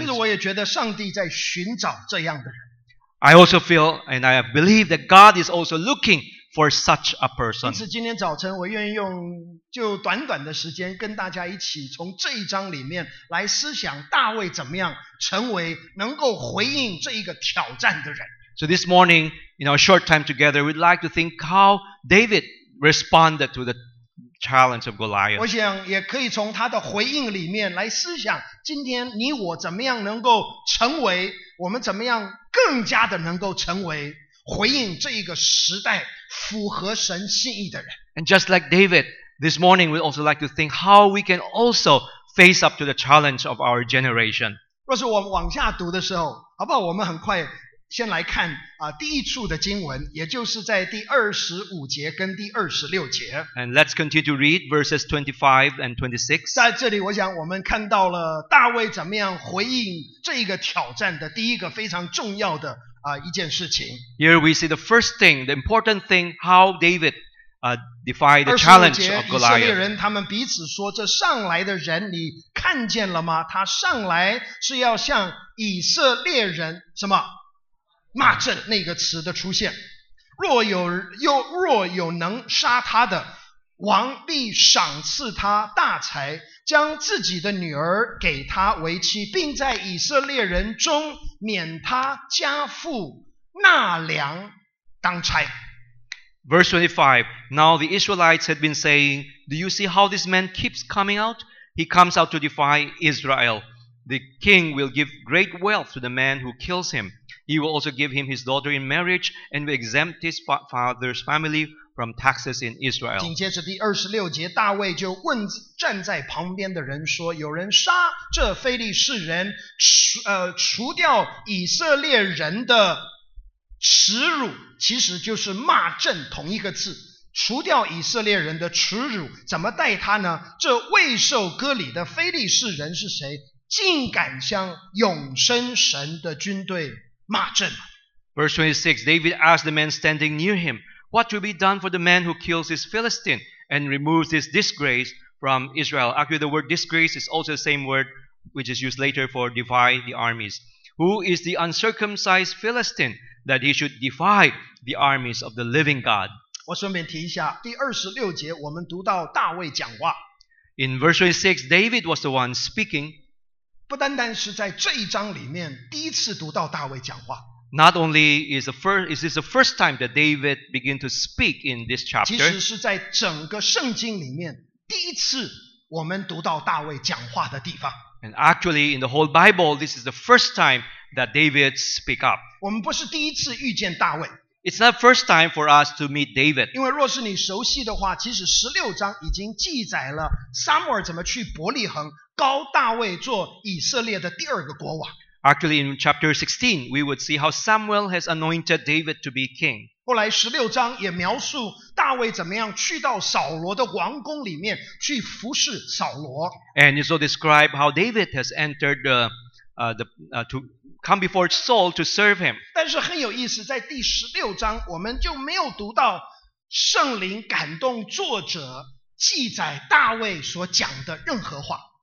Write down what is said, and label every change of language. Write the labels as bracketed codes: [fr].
[zh] 其实我也觉得上帝在寻找这样的人。 [en] I also feel and I believe that God is also looking for such a person. [zh] 因此今天早晨我愿意用就短短的时间跟大家一起从这一章里面来思想大卫怎么样成为能够回应这一个挑战的人。 [en] So this morning, in our short time together, we'd like to think how David responded to the challenge of Goliath. [zh] 我想也可以从他的回应里面来思想今天你我怎么样能够成为我们怎么样更加的能够成为回应这一个时代符合神心意的人。 [en] And just like David, this morning we'd also like to think how we can also face up to the challenge of our generation. [zh] 若是我们往下读的时候，好不好？我们很快先来看第一处的经文，也就是在第二十五节跟第二十六节。 [en] And let's continue to read verses 25 and 26. [zh] 在这里，我想我们看到了大卫怎么样回应这个挑战的第一个非常重要的一件事情。 [en] Here we see the first thing, the important thing, how David defied the challenge of Goliath. [zh] 以色列人他们彼此说：“这上来的人，你看见了吗？他上来是要向以色列人什么？” 骂阵那个词的出现，若有能杀他的，王必赏赐他大财，将自己的女儿给他为妻，并在以色列人中免他家父纳粮当差。 [en] Verse 25. Now the Israelites had been saying, "Do you see how this man keeps coming out? He comes out to defy Israel. The king will give great wealth to the man who kills him." He will also give him his daughter in marriage and will exempt his father's family from taxes in Israel. [zh] 紧接着第二十六节，大卫就问站在旁边的人说：“有人杀这非利士人，除掉以色列人的耻辱，其实就是骂阵同一个字。除掉以色列人的耻辱，怎么待他呢？这未受割礼的非利士人是谁？竟敢向永生神的军队？” [en] Verse 26, David asked the man standing near him, "What will be done for the man who kills this Philistine and removes this disgrace from Israel?" Actually, the word disgrace is also the same word which is used later for defy the armies. Who is the uncircumcised Philistine that he should defy the armies of the living God? [zh] 我顺便提一下，第二十六节我们读到大卫讲话。 [en] In verse 26, David was the one speaking. [zh] 不单单是在这一章里面第一次读到大卫讲话。 [en] Not only is this the first time that David began to speak in this chapter. [zh] 其实是在整个圣经里面第一次我们读到大卫讲话的地方。 [en] And actually in the whole Bible, this is the first time that David speak up. [zh] 我们不是第一次遇见大卫。 [en] It's not first time for us to meet David. [zh] 因为若是你熟悉的话，其实十六章已经记载了撒母耳怎么去伯利恒。高大卫做以色列的第二个国王。 [en] Actually, in chapter 16, we would see how Samuel has anointed David to be king. [zh] 后来十六章也描述大卫怎么样去到扫罗的王宫里面去服侍扫罗。 [en] And it also describes how David has entered to come before Saul to serve him. [zh] 但是很有意思，在第十六章我们就没有读到圣灵感动作者记载大卫所讲的任何话。